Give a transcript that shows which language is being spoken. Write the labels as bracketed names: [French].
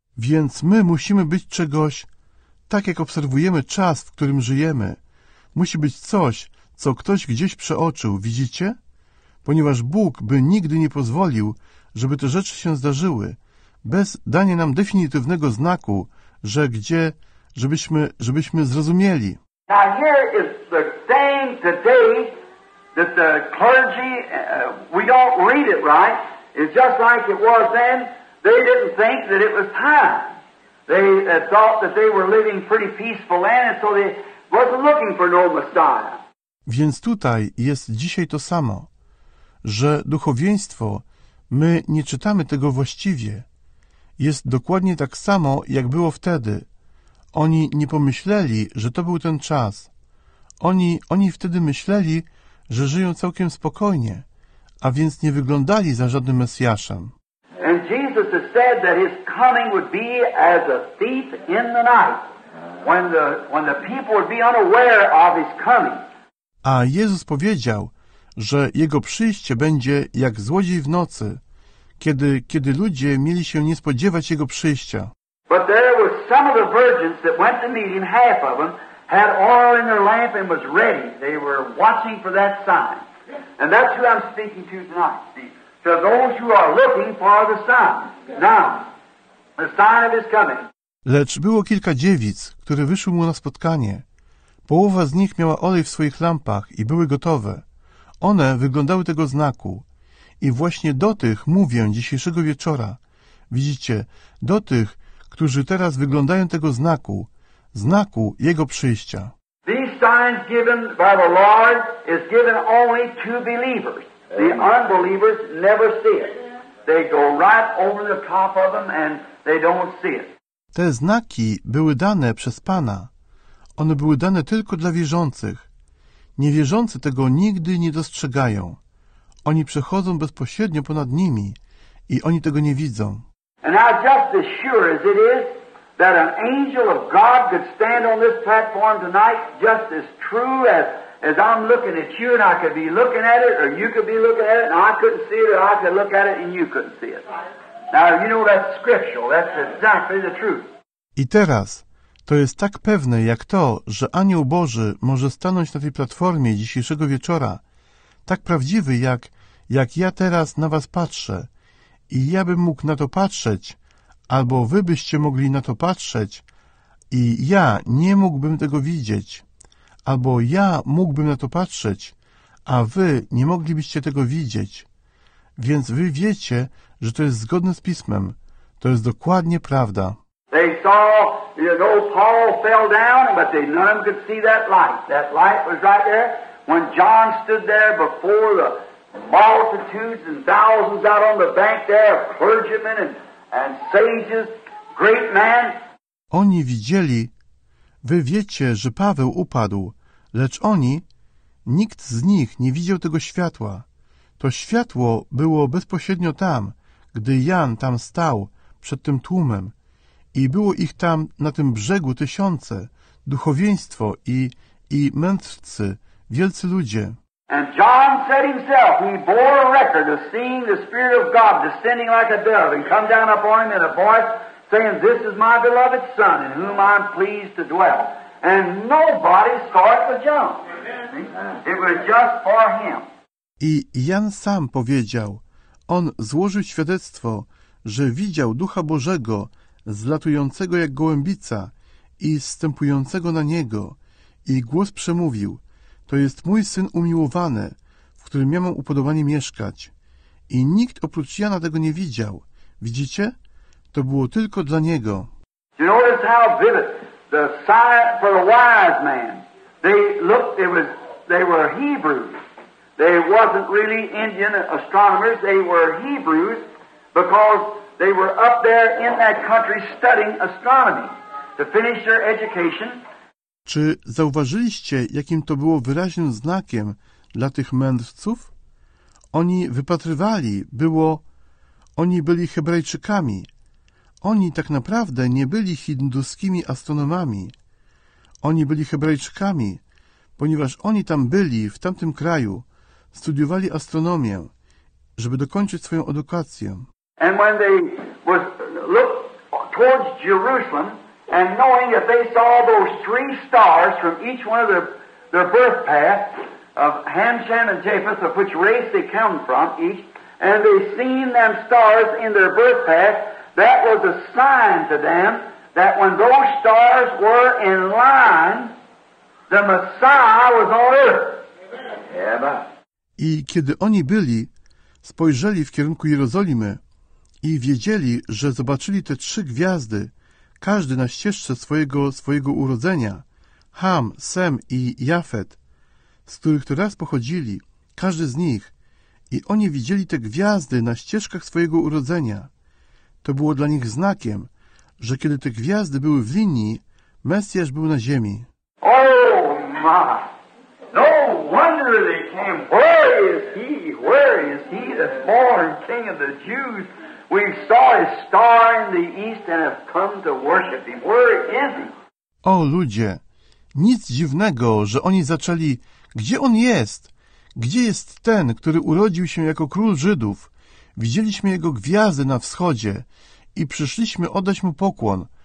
[Polish] Więc my musimy być czegoś, tak jak obserwujemy czas, w którym żyjemy. Musi być coś, co ktoś gdzieś przeoczył, widzicie? Ponieważ Bóg by nigdy nie pozwolił, żeby te rzeczy się zdarzyły, bez dania nam definitywnego znaku, że gdzie, żebyśmy zrozumieli. [English] Now here is the thing today that the clergy, we don't read it right, it's just like it was then, they didn't think that it was time. They thought that they were living pretty peaceful land, and so they wasn't looking for no Messiah. [Polish] Więc tutaj jest dzisiaj to samo, że duchowieństwo, my nie czytamy tego właściwie. Jest dokładnie tak samo, jak było wtedy. Oni nie pomyśleli, że to był ten czas. Oni wtedy myśleli, że żyją całkiem spokojnie, a więc nie wyglądali za żadnym Mesjaszem. [English] And Jesus has said that his coming would be as a thief in the night, when the people would be unaware of his coming. [Polish] A Jezus powiedział, że Jego przyjście będzie jak złodziej w nocy, kiedy ludzie mieli się nie spodziewać Jego przyjścia. [English] But there were some of the virgins that went to meet him, half of them, had oil in their lamp and was ready. They were watching for that sign. And that's who I'm speaking to tonight, to those who are looking for the sign. Now, the sign of his coming. [Polish] Lecz było kilka dziewic, które wyszły mu na spotkanie. Połowa z nich miała olej w swoich lampach i były gotowe. One wyglądały tego znaku. I właśnie do tych mówię dzisiejszego wieczora. Widzicie, do tych, którzy teraz wyglądają tego znaku, znaku Jego przyjścia. [English] These signs given by the Lord is given only to believers. The unbelievers never see it. They go right over the top of them and they don't see it. [Polish] Te znaki były dane przez Pana. One były dane tylko dla wierzących. Niewierzący tego nigdy nie dostrzegają. oni przechodzą bezpośrednio ponad nimi i oni tego nie widzą. [English] And now just as sure as it is that an angel of God could stand on this platform tonight, just as true as I'm looking at you and I could be looking at it, or you could be looking at it and I couldn't see it, or I could look at it and you couldn't see it. Now you know that's scriptural, that's exactly the truth. [Polish] I teraz to jest tak pewne jak to, że anioł Boży może stanąć na tej platformie dzisiejszego wieczora, tak prawdziwy jak ja teraz na was patrzę. I ja bym mógł na to patrzeć, albo wy byście mogli na to patrzeć, i ja nie mógłbym tego widzieć, albo ja mógłbym na to patrzeć, a wy nie moglibyście tego widzieć. Więc wy wiecie, że to jest zgodne z Pismem. To jest dokładnie prawda. [English] They saw, you know, Paul fell down, but they none of them could see that light. That light was right there. When John stood there before the multitudes and thousands out on the bank there, clergymen and sages, great man. [Polish] Oni widzieli, wy wiecie, że Paweł upadł, lecz oni, nikt z nich nie widział tego światła. To światło było bezpośrednio tam, gdy Jan tam stał przed tym tłumem. I było ich tam na tym brzegu tysiące, duchowieństwo i mędrcy, wielcy ludzie. [English] And John said himself, he bore a record of seeing the Spirit of God descending like a dove and come down upon him in a voice saying, this is my beloved Son in whom I'm pleased to dwell. And nobody saw it but John. It was just for him. [Polish] I Jan sam powiedział, on złożył świadectwo, że widział Ducha Bożego zlatującego jak gołębica i zstępującego na niego, i głos przemówił: to jest mój Syn umiłowany, w którym ja mam upodobanie mieszkać. I nikt oprócz Jana tego nie widział. Widzicie? To było tylko dla niego. [English] You notice how vivid the sign for the wise man. They looked, they were Hebrews. They wasn't really Indian astronomers, they were Hebrews because they were up there in that country studying astronomy to finish their education. [Polish] Czy zauważyliście, jakim to było wyraźnym znakiem dla tych mędrców? Oni wypatrywali, było... Oni byli Hebrajczykami. Oni tak naprawdę nie byli hinduskimi astronomami. Oni byli Hebrajczykami, ponieważ oni tam byli, w tamtym kraju, studiowali astronomię, żeby dokończyć swoją edukację. [English] And when they looked towards Jerusalem, and knowing that they saw those three stars from each one of their birth path of Ham, Shem, and Japheth, of which race they come from, each, and they seen them stars in their birth path, that was a sign to them that when those stars were in line, the Messiah was on earth. Amen. [Polish] I kiedy oni byli, spojrzeli w kierunku Jerozolimy i wiedzieli, że zobaczyli te trzy gwiazdy, każdy na ścieżce swojego urodzenia, Ham, Sem i Jafet, z których to raz pochodzili, każdy z nich, i oni widzieli te gwiazdy na ścieżkach swojego urodzenia. To było dla nich znakiem, że kiedy te gwiazdy były w linii, Mesjasz był na ziemi. [English] Oh my! No wonder they came. Where is he? Where is he, the foreign king of the Jews? We saw his star in the east and have come to worship him. Where is he? [Polish] O ludzie, nic dziwnego, że oni zaczęli, gdzie on jest? Gdzie jest ten, który urodził się jako król Żydów? Widzieliśmy jego gwiazdy na wschodzie i przyszliśmy oddać mu pokłon.